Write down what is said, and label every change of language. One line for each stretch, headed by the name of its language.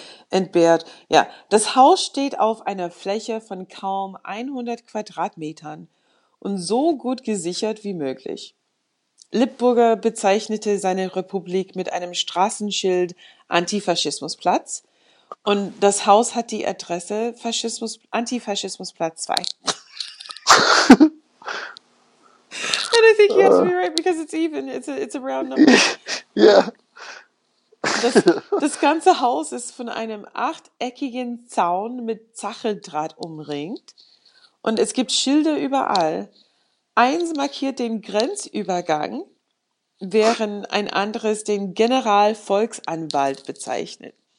German: Entbehrt. Ja, das Haus steht auf einer Fläche von kaum 100 Quadratmetern und so gut gesichert wie möglich. Lippburger bezeichnete seine Republik mit einem Straßenschild Antifaschismusplatz und das Haus hat die Adresse Antifaschismusplatz 2.
English: And I think he has to be right because it's even. It's a round number. Yeah.
German: Das ganze Haus ist von einem achteckigen Zaun mit Zacheldraht umringt. Und es gibt Schilder überall. Eins markiert den Grenzübergang, während ein anderes den Generalvolksanwalt bezeichnet.